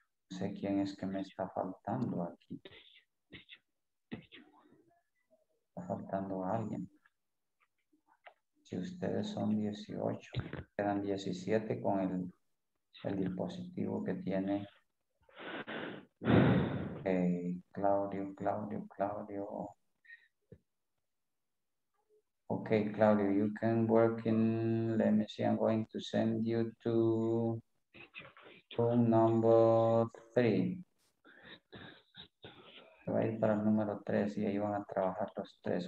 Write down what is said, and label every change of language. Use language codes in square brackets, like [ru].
[es] No sé quién es que me está faltando aquí. Está faltando alguien. Si ustedes son 18, quedan 17 con el dispositivo que tiene Claudio. [en] Okay, Claudio, you can work in, let me see, I'm going to send you to room number 3. [es] Right, para el número 3, y ahí van a trabajar los tres.